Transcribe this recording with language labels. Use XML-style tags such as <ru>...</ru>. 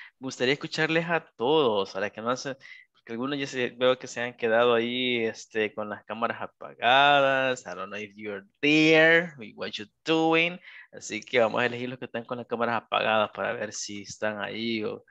<es>Me gustaría escucharles a todos, a las que no hacen... Algunos ya veo que se han quedado ahí con las cámaras apagadas.</es> <en>I don't know if you're there, what you're doing.</en> <es>Así que vamos a elegir los que están con las cámaras apagadas para ver si están ahí.</es>